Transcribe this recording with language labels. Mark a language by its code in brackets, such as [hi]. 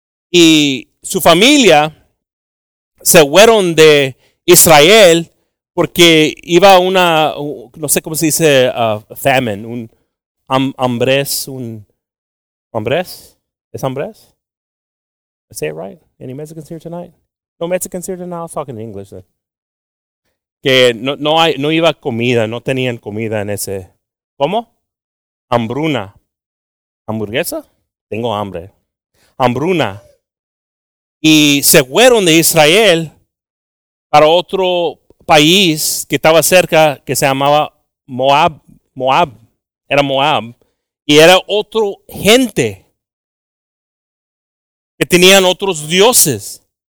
[es] Y su familia se fueron de Israel porque iba una, no sé cómo se dice, famine, un hambres, ¿es hambres? [en] I say it right? Any Mexicans here tonight? No Mexicans here tonight? I was talking in English then. [es] Que no iba comida, no tenían comida en ese. ¿Cómo? Hambruna. ¿Hamburguesa? Tengo hambre. Hambruna. Y se fueron de Israel para otro país que estaba cerca, que se llamaba Moab, y era otro gente que tenían otros dioses.